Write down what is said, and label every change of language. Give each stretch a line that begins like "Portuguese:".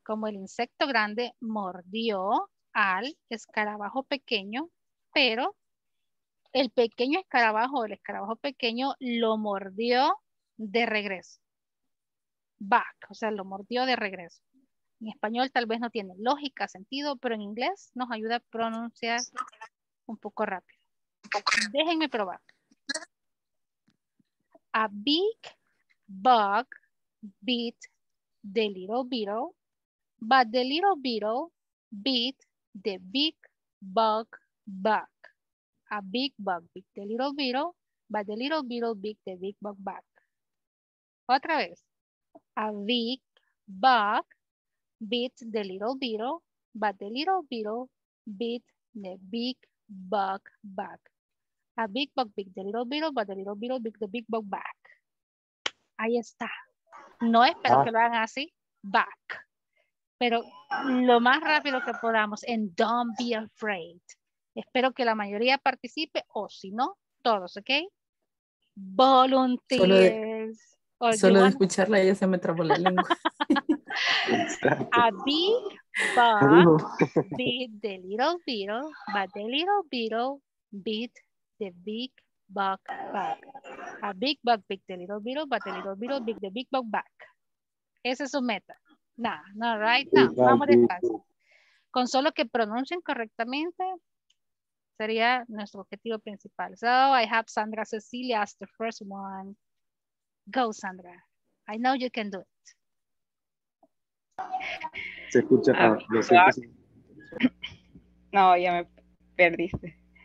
Spanish: Como el insecto grande mordió al escarabajo pequeño, pero el pequeño escarabajo, el escarabajo pequeño, lo mordió de regreso. Back, o sea, lo mordió de regreso. En español tal vez no tiene lógica, sentido, pero en inglés nos ayuda a pronunciar un poco rápido. Déjenme probar.
English: A big bug bit the little beetle, but the little beetle bit the big bug back. A big bug bit the little beetle, but the little beetle bit the big bug back.
Spanish: Otra vez.
English: A big bug bit the little beetle, but the little beetle bit the big bug back. A big bug bit the little beetle, but the little beetle bit the big bug back.
Spanish: Ahí está. No espero que lo hagan así, back. Pero lo más rápido que podamos,
English: and don't be afraid.
Spanish: Espero que la mayoría participe, o si no, todos, ¿ok?
English: Volunteers.
Spanish: Oh, solo de escucharla ya se me trabó la lengua.
English: A big bug bit the little beetle, but the little beetle bit the big bug back. A big bug bit the little beetle, but the little beetle bit the big bug back.
Spanish: Esa es su meta. Nah, no,
English: right now.
Spanish: Vamos despacio. Con solo que pronuncien correctamente, sería nuestro objetivo principal.
English: So I have Sandra Cecilia as the first one. Go, Sandra. I know you can do it.
Spanish: Se escucha. No, ya me perdiste.